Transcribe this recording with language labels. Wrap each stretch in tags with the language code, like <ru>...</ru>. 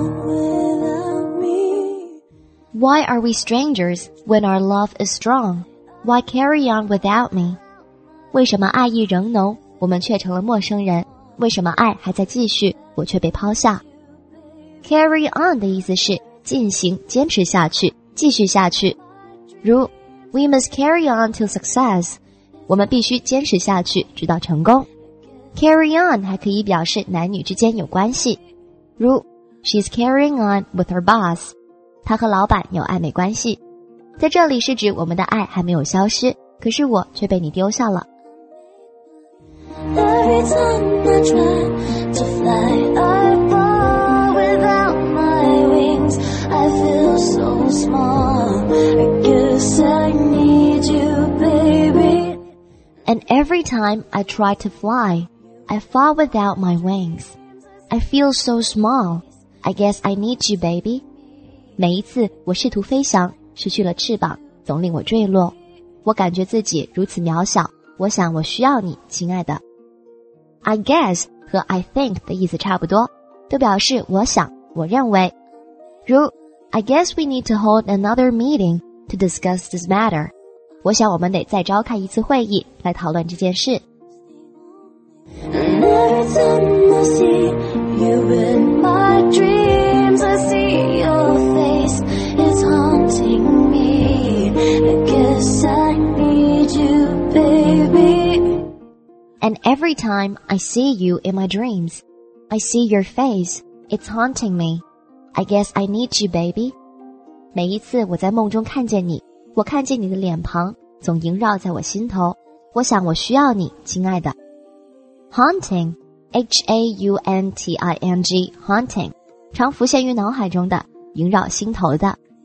<en>Why are we strangers when our love is strong? Why carry on without me?</en> <zh>为什么爱意仍浓，我们却成了陌生人？为什么爱还在继续，我却被抛下？ Carry on 的意思是进行，坚持下去，继续下去。如</zh> <en>We must carry on till success.</en> <zh>我们必须坚持下去，直到成功。 carry on 还可以表示男女之间有关系，如</zh> <en>she's carrying on with her boss，</en> <zh>她和老板有暧昧关系，在这里是指我们的爱还没有消失，可是我却被你丢下了。</zh> <en>Every time I try to fly, I fall without my wings. I feel so small. I guess I need you, baby. And every time I try to fly, I fall without my wings. I feel so small. I guess I need you, baby.</en> <zh>每一次我试图飞翔，失去了翅膀，总令我坠落。我感觉自己如此渺小，我想我需要你，亲爱的。 I guess 和 I think 的意思差不多，都表示我想，我认为。</zh> <en>如 I guess we need to hold another meeting to discuss this matter.</en> <zh>我想我们得再召开一次会议来讨论这件事。</zh> <en>And every time I see you in my dreams, I see your face, it's haunting me. I guess I need you, baby. And every time I see you in my dreams, I see your face, it's haunting me. I guess I need you, baby.</en> <zh>每一次我在梦中看见你，我看见你的脸庞，总萦绕在我心头。我想我需要你，亲爱的。 Haunting, H-A-U-N-T-I-N-G, haunting, 常浮现于脑海中的，萦绕心头的。</zh>